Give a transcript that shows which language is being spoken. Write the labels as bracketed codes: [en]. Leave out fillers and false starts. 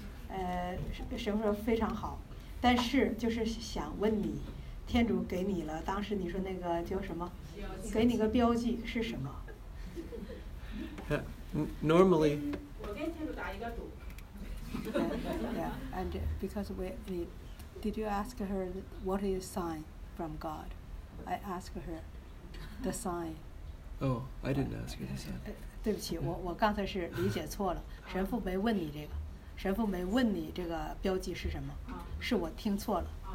[zh] 神父说非常好，但是就是想问你，天主给你了，当时你说那个叫什么，给你个标记是什么？ [en] Normally, [zh] 我跟天主打一个赌。 [en] Yeah, and because did you ask her what is sign from God? I asked her the sign. Oh, I didn't ask her the sign. [zh] 对不起，我刚才是理解错了。神父没问你这个，神父没问你这个标记是什么，是我听错了。